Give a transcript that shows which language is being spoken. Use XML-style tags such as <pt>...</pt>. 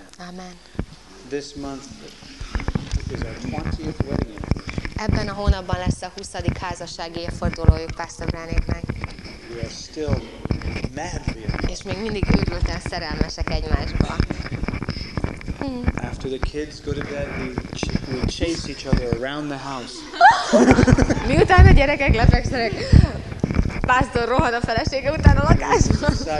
<en>Amen. This month is our 20th wedding anniversary.</en> <hu>Ebben a hónapban lesz a 20. házassági évfordulójuk Pastor Branéknek.</hu> <en>We are still madly.</en> <hu>És még mindig őrülten szerelmesek egymásba.</hu> <en>After the kids go to bed, we chase each other around the house.</en> <hu>Miután a gyerekek lefekszenek, Pásztor rohan a felesége után a lakásban.</hu>